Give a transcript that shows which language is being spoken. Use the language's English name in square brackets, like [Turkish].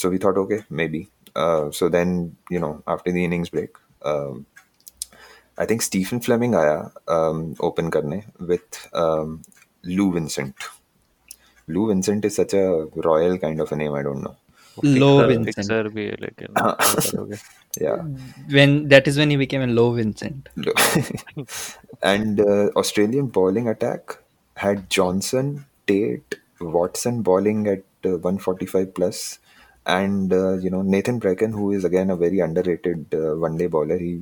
[English] So we thought okay, maybe. So then after the innings break, I think [Hindi] Stephen Fleming आया open करने with लू Vincent. [English] Lou Vincent is such a royal kind of a name, I don't know. Low Vincent. [Hindi] Fixer भी है लेकिन. [English] Yeah. When that is when he became a low Vincent. And Australian bowling attack had Johnson, Tate, Watson bowling at 145 plus, and you know Nathan Bracken, who is again a very underrated one-day bowler.